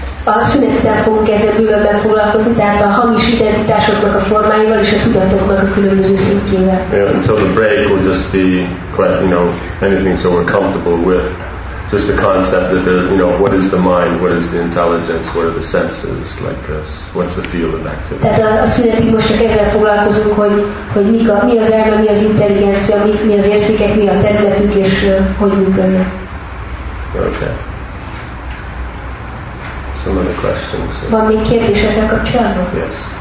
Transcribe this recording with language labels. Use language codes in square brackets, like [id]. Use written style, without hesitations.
[hu] A szünet után fogunk ezzel bővebben foglalkozni, tehát foglalkozni, tehát a hamis identitásoknak a formáival és a tudatoknak a különböző szintjével. [en] Yeah, and so the break will just be quite, you know, anything so we're comfortable with. Just the concept that, you know, what is the mind, what is the intelligence, what are the senses, like this, what's the field of activity. [hu] Tehát a szünetig most csak ezzel foglalkozunk, hogy mi az elme, mi az intelligencia, mi az érzékek, mi a területük, és hogy működnek. [en] Okay. Some other questions? [hu] Van még kérdés ezzel kapcsolatban? [en] Yes.